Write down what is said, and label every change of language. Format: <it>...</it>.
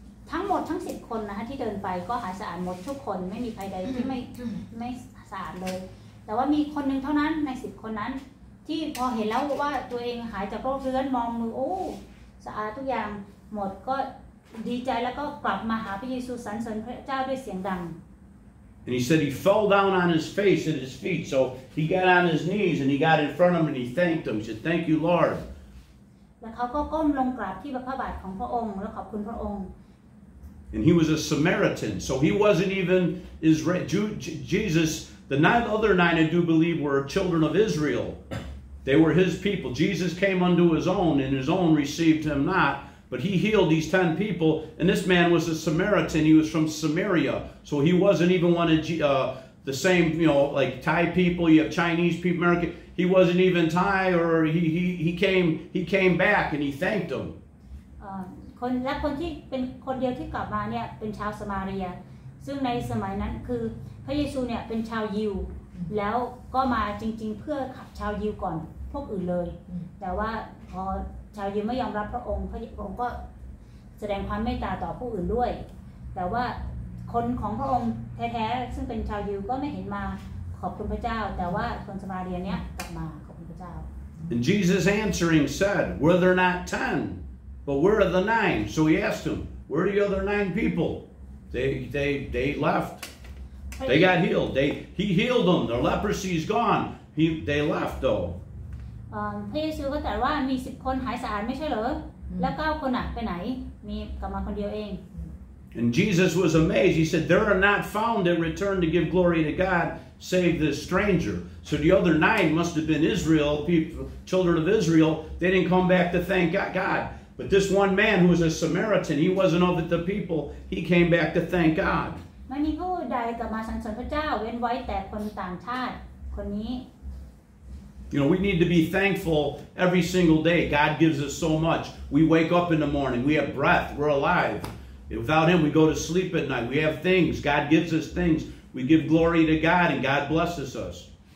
<th>ทั้งหมดทั้ง10คนนะคะที่เดินไปก็หายสะอาดหมดทุกคนไม่มีใครใดที่ไม่สะอาดเลยแต่ว่ามีคนหนึ่งเท่านั้นใน10คนนั้นที่พอเห็นแล้วว่าตัวเองหายจากโรคเรื้อนมองมือโอ้สะอาดทุกอย่างหมดก็ดีใจแล้วก็กลับมาหาพระเยซูสรรเสริญพระเจ้าด้วยเสียงดัง</th> <en>And he said he fell down on his face at his feet so he got on his knees and he got in front of him and he thanked him he said thank you Lord</en> <th>แล้วเขาก็ก้มลงกราบที่พระบาทของพระองค์แล้วขอบคุณพระองค์</th> <en>And he was a Samaritan, so he wasn't even Israel. Jesus, the other nine, I do believe, were children of Israel. They were his people. Jesus came unto his own, and his own received him not. But he healed these 10 people, and this man was a Samaritan. He was from Samaria, so he wasn't even one of the same, you know, like Thai people. You have Chinese people, American. He wasn't even Thai, or he came back, and he thanked them.</en> <th>คนและคนที่เป็นคนเดียวที่กลับมาเนี่ยเป็นชาวสมาเรียซึ่งในสมัยนั้นคือพระเยซูเนี่ยเป็นชาวยิวแล้วก็มาจริงๆเพื่อขับชาวยิวก่อนพวกอื่นเลยแต่ว่าพอชาวยิวไม่ยอมรับพระองค์ก็แสดงความเมตตาต่อผู้อื่นด้วยแต่ว่าคนของพระองค์แท้ๆซึ่งเป็นชาวยิวก็ไม่เห็นมาขอบคุณพระเจ้าแต่ว่าคนสมาเรียเนี่ยกลับมาขอบคุณพระเจ้า</th> <en>And Jesus answering said were there not 10But where are the 9? So he asked him, where are the other 9 people? They left. They got healed. He healed them. Their leprosy is gone. They left though.</en> <th>พระเยซูก็ตรัสว่ามี10คนหายสะอาดไม่ใช่เหรอ mm-hmm. แล้ว9คนน่ะไปไหนมีกลับมาคนเดียวเอง</th> <en>And Jesus was amazed. He said, there are not found that return to give glory to God save this stranger. So the other 9 must have been Israel, children of Israel. They didn't come back to thank God. But this one man who was a Samaritan, he wasn't of the people, he came back to thank God.</en> <th>ไม่มีผู้ใดกลับมาสรรเสริญพระเจ้าเว้นไว้แต่คนต่างชาติคนนี้</th> <en>You know, we need to be thankful every single day. God gives us so much. We wake up in the morning. We have breath. We're alive. Without Him, we go to sleep at night. We have things. God gives us things. We give glory to God, and God blesses us.</en>